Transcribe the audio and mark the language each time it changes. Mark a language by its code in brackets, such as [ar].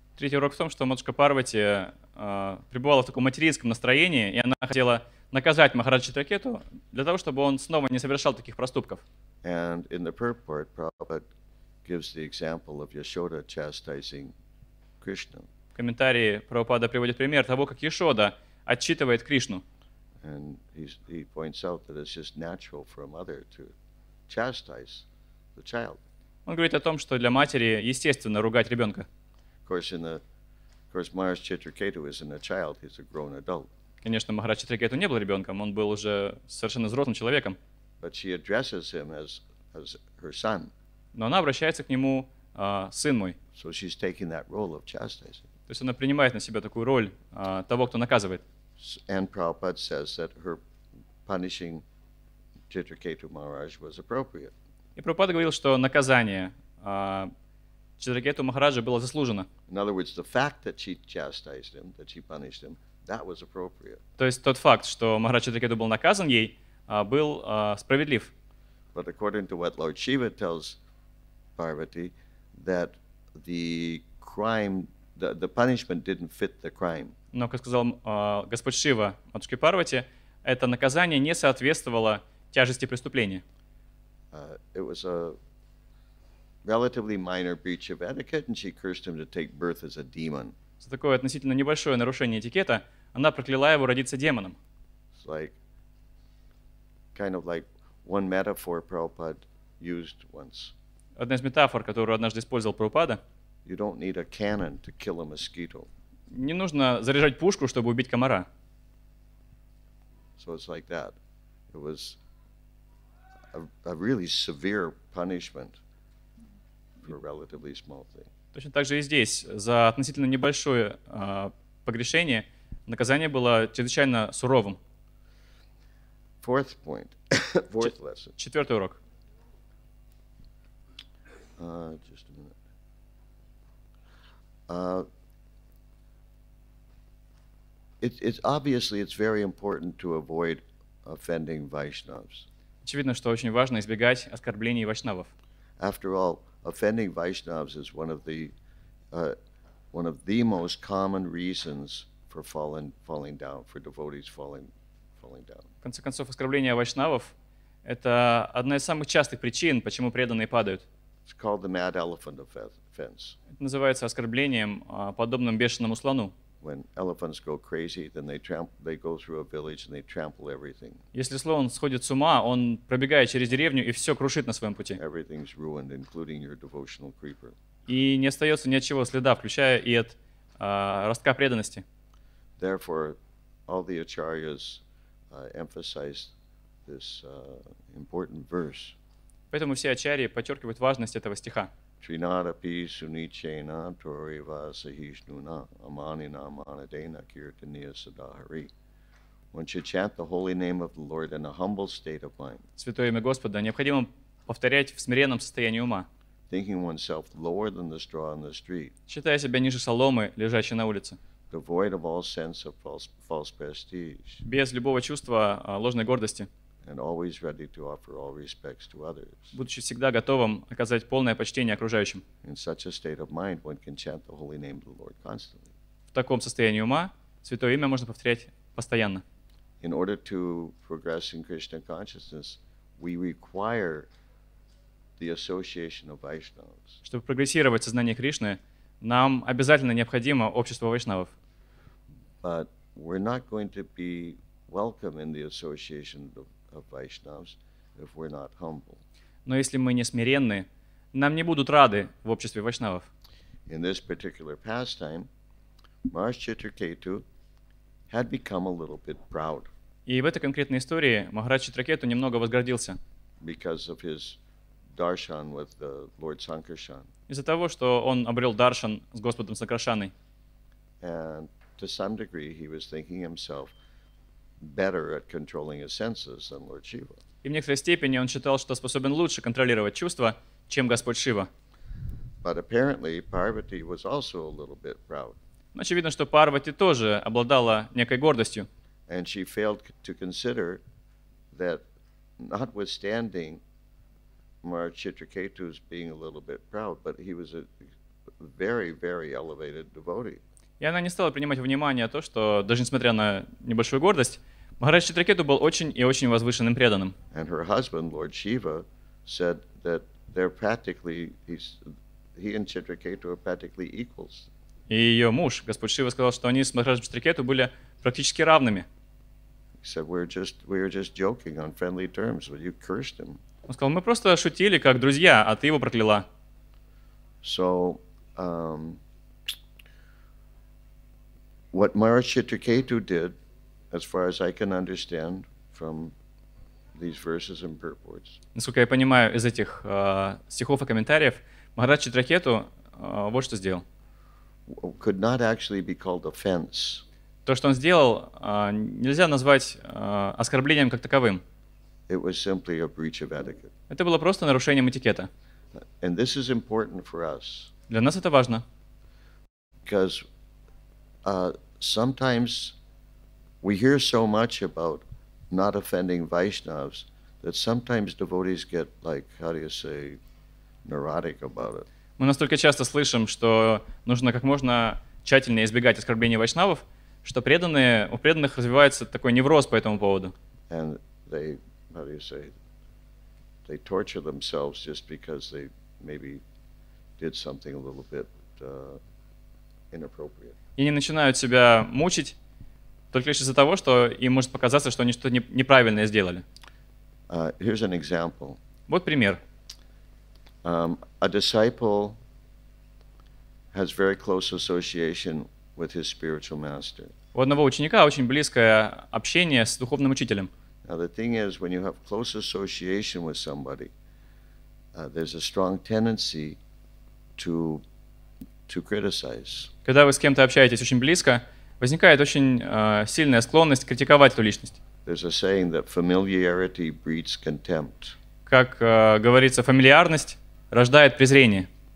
[ru] Третий урок в том, что матушка Парвати пребывала в таком материнском настроении, и она хотела наказать Махараджа Читракету для того, чтобы он снова не совершал таких проступков. [en] And in the purport, Prabhupada gives the example of Yashoda chastising Krishna. [ru] В комментарии Прабхупада приводит пример того, как Яшода отчитывает Кришну. [en] And he points out that it's just natural for a mother to chastise the child. [ru] Он говорит о том, что для матери естественно ругать ребенка. [en] Of course, Maharaj Chitraketu isn't a child, he's a grown adult. [ru] Конечно, Махарадж Читракету не был ребенком, он был уже совершенно взрослым человеком. [en] But she addresses him as her son. [ru] Но она обращается к нему, сын мой. [en] So she's taking that role of chastising. [ru] То есть она принимает на себя такую роль того, кто наказывает. [en] And Prabhupada says that her punishing Chitraketu Maharaj was appropriate. [ru] И Прабхупада говорил, что наказание Читракету Махараджа было заслужено. [en] In other words, the fact that she chastised him, that she punished him, that was appropriate. [ru] То есть тот факт, что Махарадж Читракету был наказан ей, был справедлив. [en] But according to what Lord Shiva tells Parvati, that the crime, the punishment didn't fit the crime. [ru] Но, как сказал Господь Шива матушке Парвати, это наказание не соответствовало тяжести преступления. [en] It was a relatively minor breach of etiquette, and she cursed him to take birth as a demon. [ru] За такое относительно небольшое нарушение этикета она прокляла его родиться демоном. [en] It's like, kind of like one metaphor Prabhupada used once. [ru] Одна из метафор, которую однажды использовал Прабхупада. [en] You don't need a cannon to kill a mosquito. [ru] Не нужно заряжать пушку, чтобы убить комара. [en] So it's like that. It was a really severe punishment for a relatively small thing. [ru] Точно так же и здесь. За относительно небольшое погрешение наказание было чрезвычайно суровым. [en] Fourth point. Fourth lesson. [ru] Четвертый урок. [en] Just a minute. It's obviously it's very important to avoid offending Vaishnavs. [ru] Очевидно, что очень важно избегать оскорблений вайшнавов. [en] After all, offending Vaishnavs is one of the most common reasons for falling down, for devotees falling down. [ru] В конце концов, оскорбление вайшнавов — это одна из самых частых причин, почему преданные падают. [en] It's called the mad elephant offense. [ru] Это называется оскорблением, подобным бешеному слону. [en] When elephants go crazy, then they go through a village and they trample everything. [ru] Если слон сходит с ума, он пробегает через деревню и все крушит на своем пути. [en] Everything's ruined, including your devotional creeper. [ru] И не остается ни от чего следа, включая и от Ростка преданности. [en] Therefore, all the acharyas emphasize this important verse. [ru] Поэтому все ачарьи подчеркивают важность этого стиха. [sa] Тринадапи суничейна торива сахишнуна аманина аманадейна киртания садахари. [en] One should chant the holy name of the Lord in a humble state of mind. [ru] Святое имя Господа необходимо повторять в смиренном состоянии ума. [en] Thinking oneself lower than the straw on the street. [ru] Считая себя ниже соломы, лежащей на улице. [en] Devoid of all sense of false prestige. [ru] Без любого чувства ложной гордости. [en] And always ready to offer all respects to others. [ru] Будучи всегда готовым оказать полное почтение окружающим. [en] In such a state of mind, one can chant the holy name of the Lord constantly. [ru] В таком состоянии ума святое имя можно повторять постоянно. [en] In order to progress in Krishna consciousness, we require the association of Vaishnavas. [ru] Чтобы прогрессировать в сознании Кришны, нам обязательно необходимо общество вайшнавов. [en] But we're not going to be welcome in the association of Vaishnavas if we're not humble. [ru] Но если мы не смиренны, нам не будут рады в обществе вайшнавов. [en] In this particular pastime, Mahārāja Chitraketu had become a little bit proud. [ru] И в этой конкретной истории Махарадж Читракету немного возгордился. [en] Because of his darshan with the Lord Sankarshan. [ru] Из-за того, что он обрел даршан с Господом Санкаршаной. [en] And to some degree he was thinking himself better at controlling his senses than Lord Shiva. [ru] И в некоторой степени он считал, что способен лучше контролировать чувства, чем Господь Шива. [en] But apparently Parvati was also a little bit proud. [ru] Очевидно, что Парвати тоже обладала некой гордостью. [en] And she failed to consider that notwithstanding Mahārāja Chitraketu's being a little bit proud, but he was a very, very elevated devotee. [ru] И она не стала принимать во внимание то, что даже несмотря на небольшую гордость, Махарадж Читракету был очень и очень возвышенным преданным. [en] And her husband, Lord Shiva, said that they're practically, he and Chitraketu are practically equals. [ru] И ее муж, Господь Шива, сказал, что они с Махараджем Читракету были практически равными. Он сказал, мы просто шутили, как друзья, а ты его прокляла. [en] So, what Mahārāja Chitraketu did, as far as I can understand from these verses and purports. [ru] Насколько я понимаю из этих стихов и комментариев, Махарадж Читракету вот что сделал. [en] Could not actually be called offense. [ru] То, что он сделал, нельзя назвать оскорблением как таковым. [en] It was simply a breach of etiquette. [ru] Это было просто нарушением этикета. [en] And this is important for us. [ru] Для нас это важно. [en] Because sometimes we hear so much about not offending Vaishnavas that sometimes devotees get, like, how do you say, neurotic about it. [ru] Мы настолько часто слышим, что нужно как можно тщательнее избегать оскорблений вайшнавов, что преданные, у преданных развивается такой невроз по этому поводу. [en] And they, how do you say, they torture themselves just because they maybe did something a little bit inappropriate. [ru] И они начинают себя мучить только лишь из-за того, что им может показаться, что они что-то неправильное сделали. [en] Here's an example. [ru] Вот пример. [en] A disciple has very close association with his spiritual master. [ru] У одного ученика очень близкое общение с духовным учителем. [en] Now the thing is, when you have close association with somebody, there's a strong tendency to criticize. [ru] Когда вы с кем-то общаетесь очень близко, возникает очень сильная склонность критиковать эту личность. [en] There's a saying that familiarity breeds contempt. [ru] Как говорится, фамильярность рождает презрение.